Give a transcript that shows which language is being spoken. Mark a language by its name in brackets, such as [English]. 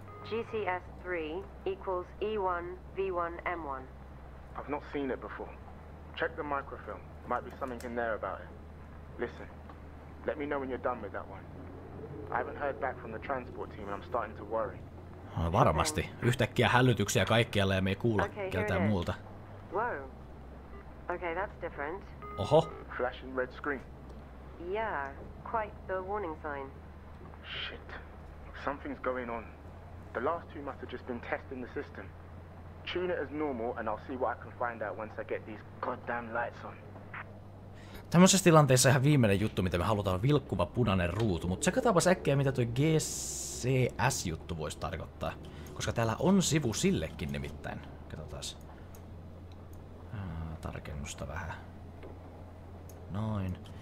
[English] GCS3 equals E1V1M1. I've not seen it before. Check the microfilm. Might be something in there about it. Listen, let me know when you're done with that one. I haven't heard back from the transport team and I'm starting to worry. [Finnish] Varmasti. Yhtäkkiä hälytyksiä kaikkialle ja me ei kuulla keltään muulta. [English] Wow. Okay, that's different. [Finnish] Oho. [English] Flashing red screen. Yeah, quite the warning sign. Shit. Something's going on. The last two must have just been testing the system. Tune it as normal and I'll see what I can find out once I get these goddamn lights on. [Finnish] Tämmöisessä tilanteessa ihan viimeinen juttu, mitä me halutaan, on vilkkuva punainen ruutu, mutta tsekataanpa äkkiä, mitä toi GCS-juttu voisi tarkoittaa. Koska täällä on sivu sillekin nimittäin. Katsotaas. Tarkennusta vähän. Noin.